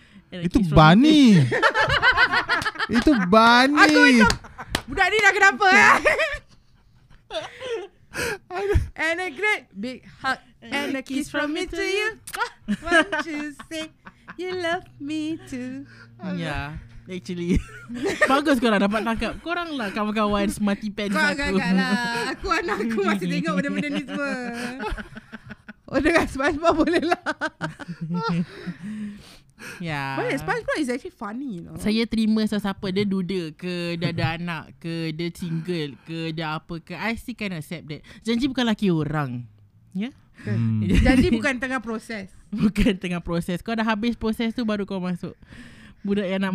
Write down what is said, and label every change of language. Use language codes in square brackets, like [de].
[ms] Itu bunny. Itu bunny. Aku macam budak ni dah kenapa? [en] And a great big hug and a kiss from me to you. Won't you say you love me too? Yeah, actually. [ms] Bagus korang dapat tangkap. Korang lah kawan-kawan [en] smarty pants [ms] aku. Korang agak-agak lah. Aku anak aku masih tengok benda-benda ni semua. Oh, dengan SpongeBob boleh lah. [en] Yeah. Wait, SpongeBob is actually funny, you know? [ms] Saya terima sesiapa dia duda ke, dia ada anak ke, dia single ke, dia apa ke. [en] I still can accept that. [ms] Janji bukan laki orang. Ya? Yeah? Janji bukan tengah proses. Bukan tengah proses. Kau dah habis proses tu baru kau masuk. Budak yang nak